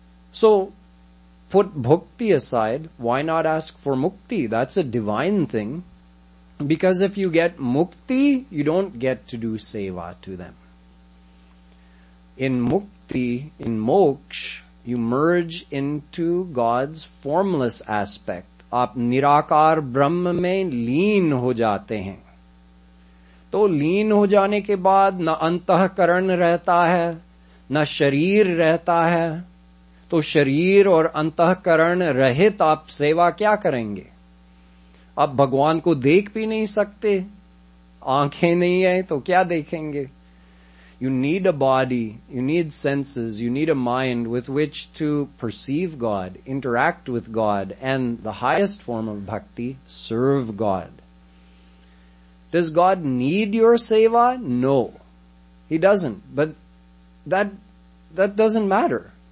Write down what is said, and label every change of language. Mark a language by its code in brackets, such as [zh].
[en] So put bhakti aside, why not ask for mukti? That's a divine thing. Because if you get mukti, you don't get to do seva to them. In mukti, in moksha, you merge into God's formless aspect. [hi] आप निराकार ब्रह्म में लीन हो जाते हैं. तो लीन हो जाने के बाद न अंतःकरण रहता है, न शरीर रहता है. तो शरीर और अंतःकरण रहित आप सेवा क्या करेंगे? आप भगवान को देख भी नहीं सकते. आंखें नहीं है, तो क्या देखेंगे? [en] You need a body, you need senses, you need a mind with which to perceive God, interact with God, and the highest form of bhakti, serve God. Does God need your seva? No. He doesn't. But that doesn't matter.